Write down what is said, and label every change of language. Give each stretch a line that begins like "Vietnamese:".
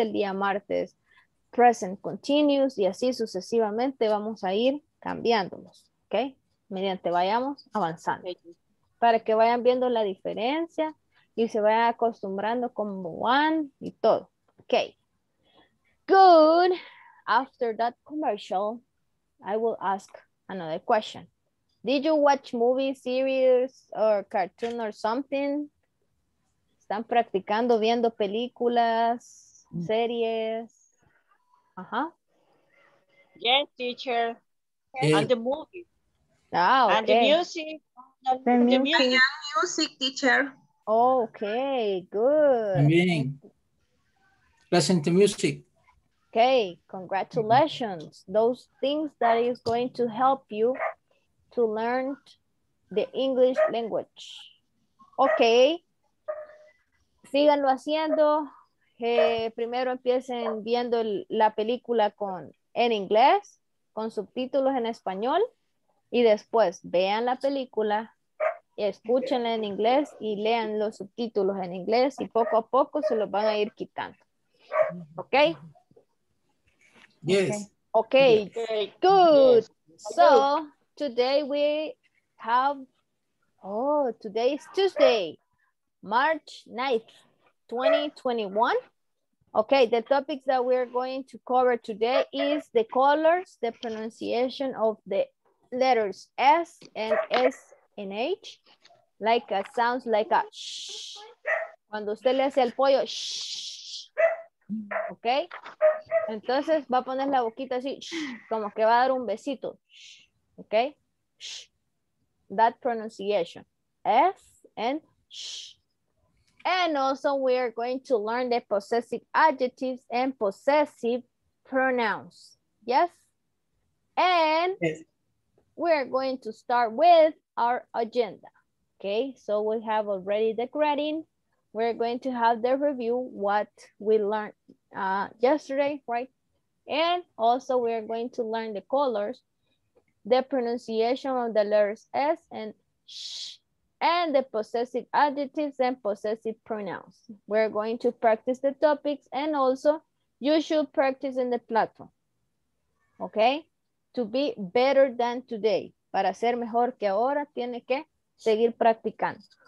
Spanish: El día martes, present continuous. Y así sucesivamente vamos a ir cambiándolos. Okay. Mediante vayamos avanzando. para que vayan viendo la diferencia y se vayan acostumbrando como one y todo.
English: Okay. Good. After that commercial, I will ask another question. Did you watch movie series or cartoon or something?
Spanish: ¿Están practicando viendo películas, series? Ajá.
English: Yes, teacher. And the movie. Ah, okay. And the music. The music, teacher. Okay, good. También. Listen to music. Okay, congratulations. Those things that is going to help you to learn the English language.
Spanish: Okay. Síganlo haciendo. Primero empiecen viendo la película en inglés, con subtítulos en español. Y después vean la película, escúchenla en inglés y lean los subtítulos en inglés. Y poco a poco se los van a ir quitando.
English: Ok. Yes. Okay. Good. Yes. So today we have, today is Tuesday, March 9th, 2021. Okay, the topics that we're going to cover today is the colors, the pronunciation of the letters S and S and H, like a sounds like a shh.
Spanish: Cuando usted le hace el pollo, shh. Okay, entonces va a poner la boquita así, shh, como que va a dar un besito, shh.
English: Okay, shh. That pronunciation, S and shh. And also we are going to learn the possessive adjectives and possessive pronouns, yes? And yes. We are going to start with our agenda, okay? So we have already the grading. We're going to have the review, what we learned yesterday, right? And also we are going to learn the colors, the pronunciation of the letters S and sh, and the possessive adjectives and possessive pronouns. We're going to practice the topics, and also you should practice in the platform, okay? To be better than today.
Spanish: Para ser mejor que ahora, tiene que seguir practicando.